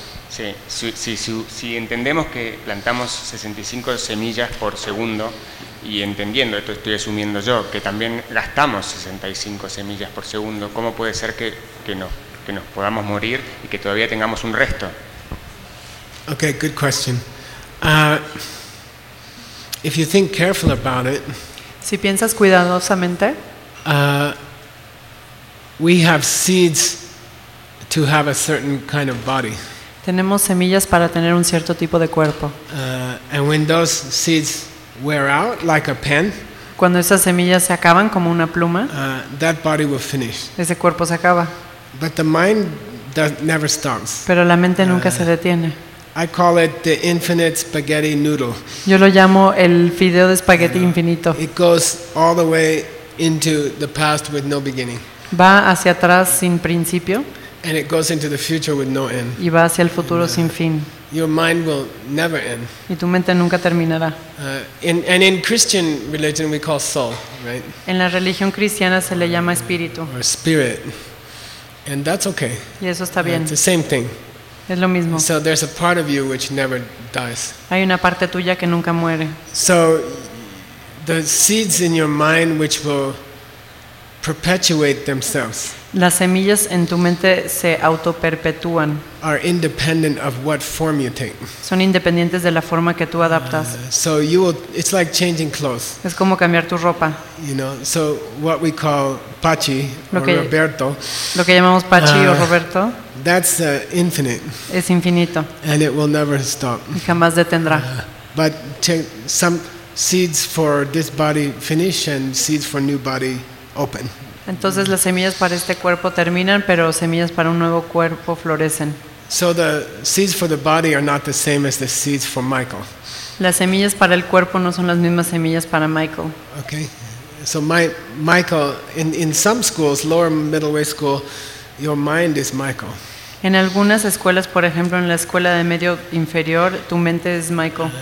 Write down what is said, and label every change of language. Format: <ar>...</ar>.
<es>Sí, si entendemos que plantamos 65 semillas por segundo, y entendiendo, esto estoy asumiendo yo, que también gastamos 65 semillas por segundo, ¿cómo puede ser que nos podamos morir y que todavía tengamos un resto?</es> <en>Okay, good question. If you think careful about it,</en> <es>si piensas cuidadosamente,</es> <en>we have seeds to have a certain kind of body.</en> <es>Tenemos semillas para tener un cierto tipo de cuerpo.</es> <en>And when those seeds wear out like a pen,</en> <es>cuando esas semillas se acaban como una pluma,</es> <en>that body will finish.</en> <es>Ese cuerpo se acaba.</es> <en>But the mind does, never stops.</en> <es>Pero la mente nunca se detiene.</es> <en>I call it the infinite spaghetti noodle.</en> <es>Yo lo llamo el fideo de espagueti infinito.</es> <en>It goes all the way into the past with no beginning.</en> <es>Va hacia atrás sin principio.</es> <en>And it goes into the future with no end.</en> <es>Y va hacia el futuro sin fin.</es> <en>Your mind will never end.</en> <es>Y tu mente nunca terminará.</es> <en>In Christian religion we call soul, right?</en> <es>En la religión cristiana se le llama espíritu.</es> <en>Or spirit. And that's okay.</en> <es>Y eso está bien.</es> <en>It's the same thing.</en> <es>Es lo mismo.</es> <en>So there's a part of you which never dies.</en> <es>Hay una parte tuya que nunca muere.</es> <en>So the seeds in your mind which will perpetuate themselves.</en> <es>Las semillas en tu mente se autoperpetúan.</es> <en>Are independent of what form you take.</en> <es>Son independientes de la forma que tú adaptas.</es> <en>So you will, it's like changing clothes.</en> <es>Es como cambiar tu ropa.</es> <en>You know, so what we call Pachi or Roberto.</en> <es>Lo que llamamos Pachi o Roberto.</es> <en>That's infinite.</en> <es>Es infinito.</es> <en>And it will never stop.</en> <es>Y jamás detendrá.</es> <en>But some seeds for this body finish and seeds for new body open.</en> <es>Entonces las semillas para este cuerpo terminan, pero semillas para un nuevo cuerpo florecen.</es> <en>So the seeds for the body are not the same as the seeds for Michael.</en> <es>Las semillas para el cuerpo no son las mismas semillas para Michael.</es> <en>Okay. So Michael in some schools, lower middle way school, your mind is Michael.</en> <es>En algunas escuelas, por ejemplo, en la escuela de medio inferior, tu mente es Michael.</es>